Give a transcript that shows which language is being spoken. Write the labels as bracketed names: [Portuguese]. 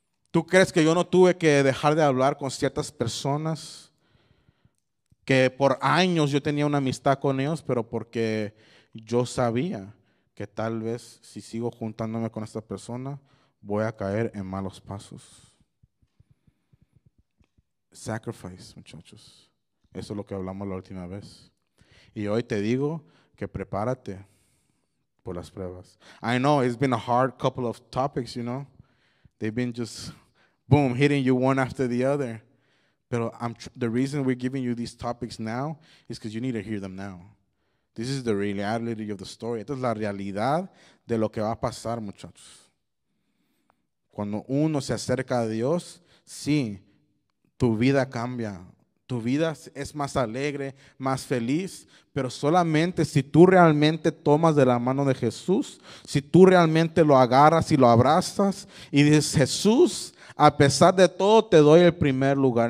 [Spanish] ¿Tú crees que yo no tuve que dejar de hablar con ciertas personas que por años yo tenía una amistad con ellos, pero porque yo sabía que tal vez si sigo juntándome con esta persona, voy a caer en malos pasos? [English] Sacrifice, [Spanish] muchachos. Eso es lo que hablamos la última vez. Y hoy te digo que prepárate por las pruebas. [English] I know it's been a hard couple of topics, you know. They've been just, boom, hitting you one after the other. [Spanish] Pero [English] the reason we're giving you these topics now is because you need to hear them now. This is the reality of the story. [Spanish] Esta es la realidad de lo que va a pasar, muchachos. Cuando uno se acerca a Dios, sí, tu vida cambia. Tu vida es más alegre, más feliz, pero solamente si tú realmente tomas de la mano de Jesús, si tú realmente lo agarras y lo abrazas y dices, Jesús, a pesar de todo, te doy el primer lugar.